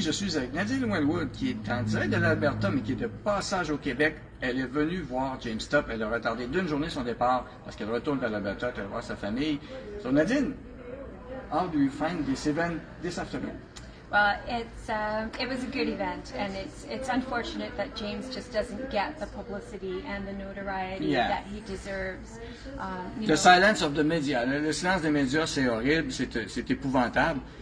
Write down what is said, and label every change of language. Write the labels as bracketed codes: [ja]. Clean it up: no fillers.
[fr] Je suis avec Nadine Wellwood, qui est en direct de l'Alberta, mais qui est de passage au Québec. Elle est venue voir James Topp. Elle a retardé d'une journée son départ parce qu'elle retourne vers l'Alberta pour aller voir sa famille. [en] So, Nadine, how do you find this event this afternoon? Well, it was a good event, and it's unfortunate that James just doesn't get the publicity and the notoriety that he deserves. The silence of the media. [fr] Le silence des médias, c'est horrible, c'est épouvantable.